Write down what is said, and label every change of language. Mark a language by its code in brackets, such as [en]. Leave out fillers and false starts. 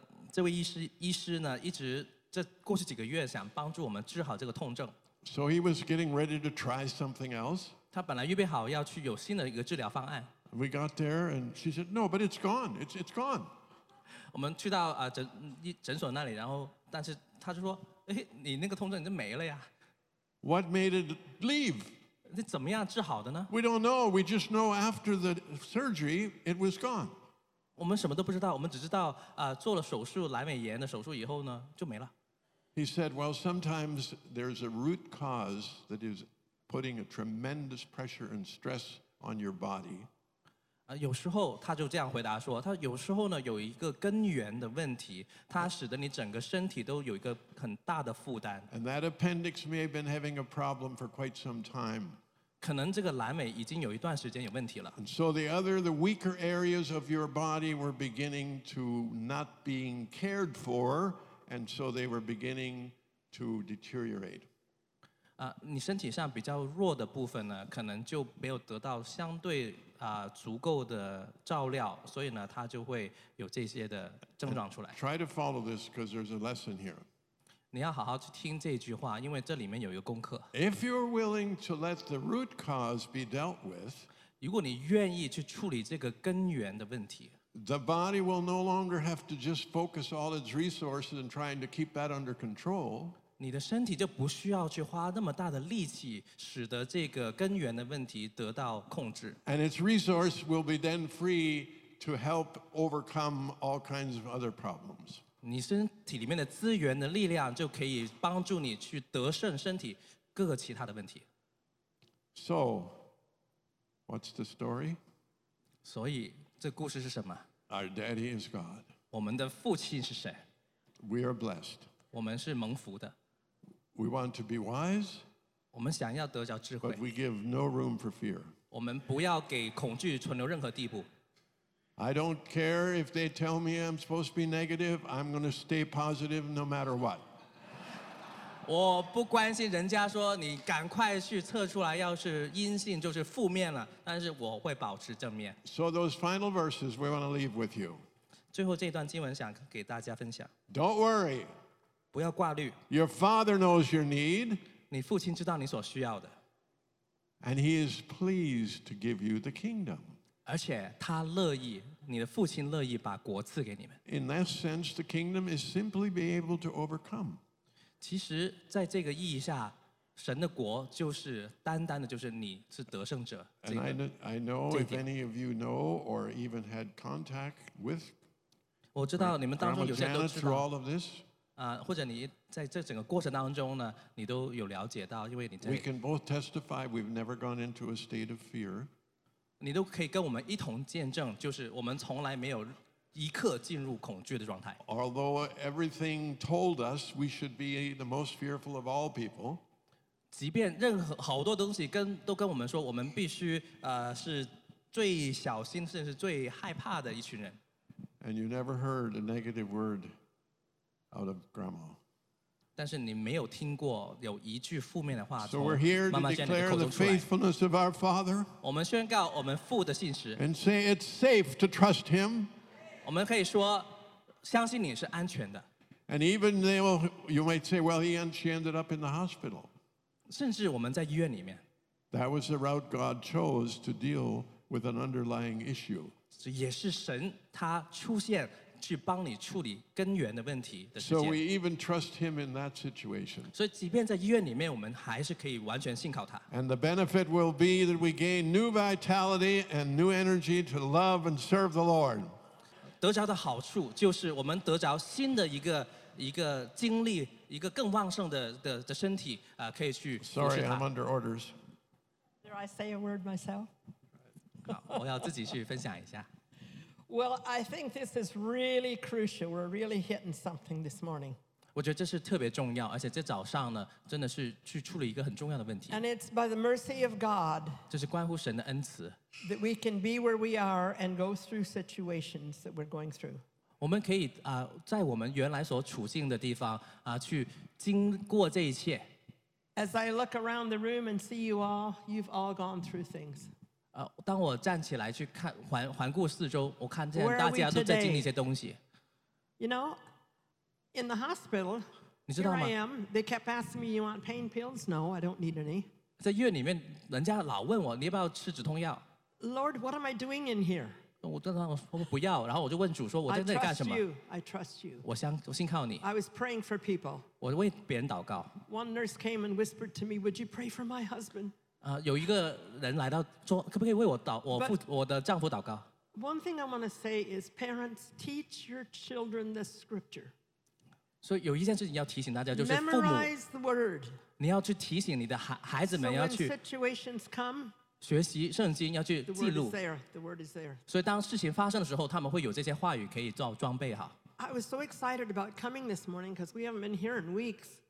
[zh] 这位医师呢，一直这过去几个月想帮助我们治好这个痛症。 [en] So he was getting ready to try something else. [zh] 他本来预备好要去有新的一个治疗方案。 [en] We got there and she said, "No, but it's gone. It's gone." [zh] 我们去到诊所那里，然后但是他就说，哎，你那个痛症已经没了呀。 [en] What made it leave? [zh] 那怎么样治好的呢 [en] ？We don't know. We just know after the surgery, it was gone. [zh] 我们什么都不知道，我们只知道，做了手术，阑尾炎的手术以后呢，就没了。 [en] He said, "Well, sometimes there's a root cause that is putting a tremendous pressure and stress on your body." [zh] 有时候他就这样回答说，他有时候呢有一个根源的问题，它使得你整个身体都有一个很大的负担。 [en] And that appendix may have been having a problem for quite some time. [zh] 可能这个阑尾已经有一段时间有问题了。 [en] And so the weaker areas of your body were beginning to not being cared for, and so they were beginning to deteriorate. [zh] 你身体上比较弱的部分呢，可能就没有得到相对足够的照料，所以呢，它就会有这些的症状出来。 [en] And try to follow this because there's a lesson here. [zh] 你要好好去听这句话，因为这里面有一个功课。 [en] If you're willing to let the root cause be dealt with, [zh] 如果你愿意去处理这个根源的问题， [en] the body will no longer have to just focus all its resources in trying to keep that under control. [zh] 你的身体就不需要去花那么大的力气，使得这个根源的问题得到控制。 [en] And its resource will be then free to help overcome all kinds of other problems. [zh] 你身体里面的资源的力量就可以帮助你去得胜身体各个其他的问题。 [en] So, what's the story? [zh] 所以这故事是什么 [en] ？Our daddy is God. [zh] 我们的父亲是谁 [en] ？We are blessed. [zh] 我们是蒙福的。 [en] We want to be wise. [zh] 我们想要得着智慧。 [en] But we give no room for fear. [zh] 我们不要给恐惧存留任何地步。 [en] I don't care if they tell me I'm supposed to be negative. I'm going to stay positive no matter what. [zh] 我不关心人家说你赶快去测出来，要是阴性就是负面了。但是我会保持正面。 [en] So those final verses we want to leave with you. [zh] 最后这段经文想给大家分享。 [en] Don't worry. [zh] 不要挂虑。 [en] Your father knows your need. [zh] 你父亲知道你所需要的。 [en] And he is pleased to give you the kingdom. [zh] 而且他乐意，你的父亲乐意把国赐给你们。 [en] In that sense, the kingdom is simply be able to overcome. [zh] 其实，在这个意义下，神的国就是单单的，就是你是得胜者。 [en] And I know if any of you know or even had contact with. [zh] 我知道你们当中有些都知道。 [en] Through all of this. [zh] 或者你在这整个过程当中呢，你都有了解到，因为你在。 [en] We can both testify. We've never gone into a state of fear. [zh] 你都可以跟我们一同见证，就是我们从来没有一刻进入恐惧的状态。 [en] Although everything told us we should be the most fearful of all people, [zh] 即便任何好多东西都跟我们说，我们必须是最小心甚至最害怕的一群人。 [en] And you never heard a negative word out of Grandma. [zh] 但是你没有听过有一句负面的话从妈妈 Jenny 的口中出来。 [en] So we're here to declare the faithfulness of our Father. [zh] 我们宣告我们父的信实。 [en] And say it's safe to trust Him. [zh] 我们可以说相信你是安全的。 [en] And even though you might say, well, she ended up in the hospital. [zh] 甚至我们在医院里面。 [en] That was the route God chose to deal with an underlying issue. [zh] 这也是神他出现。去帮你处理根源的问题的。 [en] So we even trust him in that situation. [zh] 所以，即便在医院里面，我们还是可以完全信靠他。 [en] And the benefit will be that we gain new vitality and new energy to love and serve the Lord. [zh] 得着的好处就是我们得着新的一个精力，一个更旺盛的身体，可以去服侍他。 [en] Sorry, I'm under orders. Dare I say a word myself? Well, I think this is really crucial. We're really hitting something this morning. [zh] 我觉得这是特别重要, 而且这早上呢, 真的是去处理一个很重要的问题。 [en] And it's by the mercy of God that we can be where we are and go through situations that we're going through. [zh] 我们可以, 在我们原来所处境的地方, 去经过这一切。 [en] As I look around the room and see you all, you've all gone through things. [zh] 当我站起来去看, 环顾四周, 我看见大家都在经历一些东西。 [en] You know, in the hospital, [zh] 你知道吗? [en] Here I am, they kept asking me, you want pain pills? No, I don't need any. [zh] 在医院里面, 人家老问我, 你要不要吃止痛药? [en] Lord, what am I doing in here? [zh] 我就说不要, 然后我就问主说, 我在这里干什么? [en] I trust you. [zh] 我信靠你。 [en] I was praying for people. [zh] 我为别人祷告。 [en] One nurse came and whispered to me, would you pray for my husband? [zh] 有一个人来到说, 可不可以为我祷, 我父, [en] But, [zh] 我的丈夫祷告? [en] One thing I want to say is, parents, teach your children the scripture. [zh] 所以有一件事情要提醒大家就是父母, [en] Memorize the word. [zh] 你要去提醒你的孩子们要去, [en] So when situations come, [zh] 学习圣经要去记录, [en] the word is there, the word is there. [zh] 所以当事情发生的时候, 他们会有这些话语可以做装备好。 [en] I was so excited about coming this morning because we haven't been here in weeks.